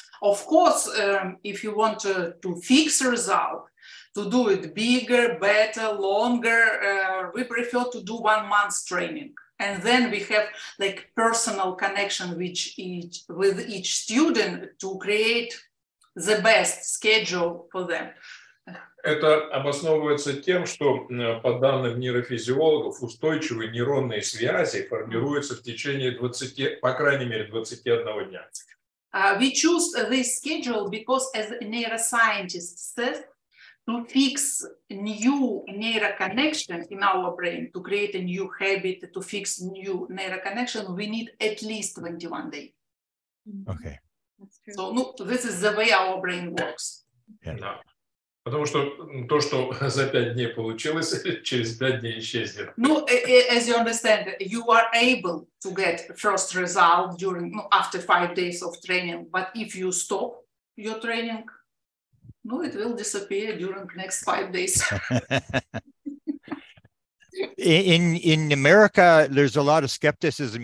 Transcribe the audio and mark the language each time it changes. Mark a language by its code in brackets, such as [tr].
[en] Of course, if you want to fix a result, to do it bigger, better, longer, we prefer to do 1 month training. And then we have like personal connection with each student to create the best schedule for them. [ru] Это обосновывается тем, что, по данным нейрофизиологов, устойчивые нейронные связи формируются в течение 20, по крайней мере, 21 дня. [en] We choose this schedule because, as a neuroscientist says, to fix new neuroconnection in our brain, to create a new habit, to fix new neuroconnection, we need at least 21 days. Okay. So, this is the way our brain works. Yeah. No. [ru] Потому что то, что за 5 дней получилось, через 5 дней исчезнет. Ну, [en] as you understand, you are able to get first result during after 5 days of training, but if you stop your training, it will disappear during the next 5 days. In America, there's a lot of skepticism.